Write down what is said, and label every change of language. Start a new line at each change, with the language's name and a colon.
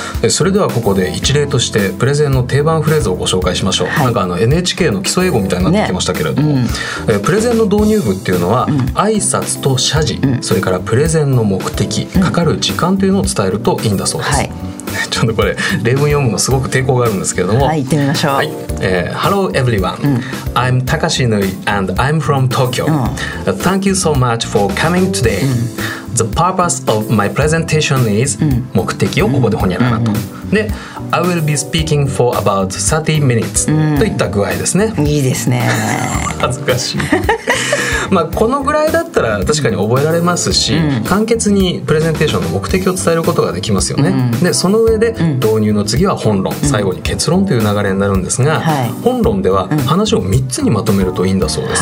Japanese: それではここで一例としてプレゼンの定番フレーズをご紹介しましょう、はい、なんかあの NHK の基礎英語みたいになってきましたけれども、ね、うん、プレゼンの導入部っていうのは、うん、挨拶と謝辞、うん、それからプレゼンの目的、かかる時間というのを伝えるといいんだそうです、うん、はい、ちょっとこれ例文読むのすごく抵抗があるんですけれども、はい、行ってみましょう、
English: はい、Hello everyone、うん、I'm Takashi Nui and I'm from Tokyo、うん、Thank you so much for coming today、うん、The purpose of my presentation is、うん、
Japanese: 目的をここでほにゃららと、
English: うんうんうん、で I will be speaking for about 30 minutes、うん、
Japanese: といった具合ですね。いいですね。恥ずかしい。まあ、このぐらいだったら確かに覚えられますし、うん、簡潔にプレゼンテーションの目的を伝えることができますよね、うん、でその上で導入の次は本論、うん、最後に結論という流れになるんですが、うん、本論では話を3つにまとめるといいんだそうです、